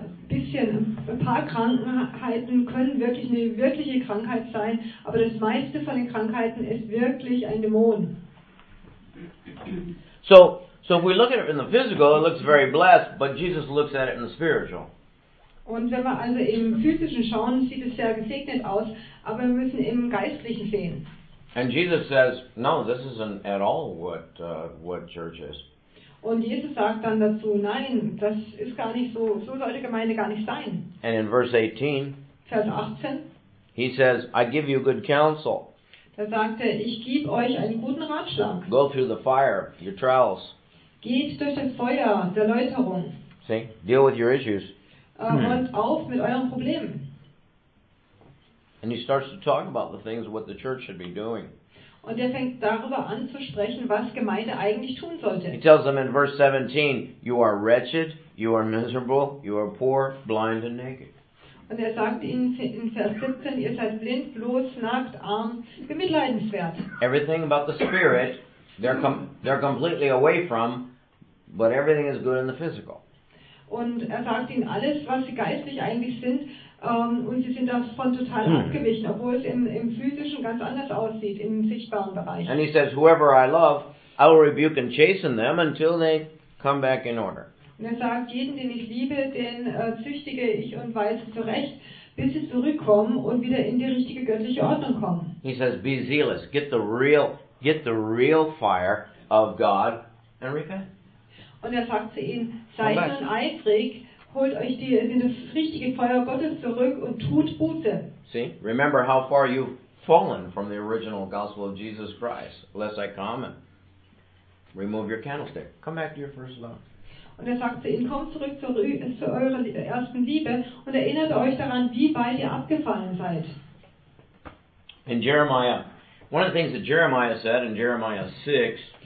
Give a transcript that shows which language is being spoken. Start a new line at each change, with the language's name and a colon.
German: Ein paar Krankheiten können wirklich eine wirkliche Krankheit sein, aber das meiste von den Krankheiten ist wirklich ein Dämon.
English: So if we look at it in the physical, it looks very blessed, but Jesus looks at it in the spiritual.
German: Und wenn wir also im physischen schauen, sieht es sehr gesegnet aus, aber wir müssen im geistlichen sehen.
English: And Jesus says, no, this isn't at all what church is.
German: Und Jesus sagt dann dazu, nein, das ist gar nicht so, so sollte Gemeinde gar nicht sein.
English: And in verse 18,
German: Vers 18,
English: he says, I give you good counsel.
German: Da sagt er, ich gebe euch einen guten Ratschlag.
English: Go through the fire, your trials.
German: Geht durch das Feuer der Läuterung.
English: See, deal with your issues.
German: Und auf mit euren Problemen.
English: And he starts to talk about the things what the church should be doing.
German: Und er fängt darüber an zu sprechen, was Gemeinde eigentlich tun sollte.
English: He tells them in verse 17, you are wretched, you are miserable, you are poor, blind and naked.
German: Und er sagt ihnen in Vers 17, ihr seid blind, bloß, nackt, arm, bemitleidenswert.
English: Everything about the spirit, they're completely away from, but everything is good in the physical.
German: Und er sagt ihnen alles, was sie geistlich eigentlich sind, und sie sind davon total abgewichen, obwohl es im physischen ganz anders aussieht, im sichtbaren Bereich.
English: And he says, whoever I love, I will rebuke and chasten them until they come back in order.
German: Und er sagt, jeden, den ich liebe, den züchtige ich und weise zurecht, bis sie zurückkommen und wieder in die richtige göttliche Ordnung kommen.
English: He says, be zealous, get the real fire of God and repent.
German: Und er sagt zu ihnen, seid nun eifrig, holt euch das richtige Feuer Gottes zurück und tut Buße.
English: See, remember how far you've fallen from the original gospel of Jesus Christ, lest I come and remove your candlestick. Come back to your first love.
German: Und er sagt zu ihnen, kommt zurück zu eurer ersten Liebe und erinnert euch daran, wie weit ihr abgefallen seid.
English: In Jeremiah, one of the things that Jeremiah said in Jeremiah 6,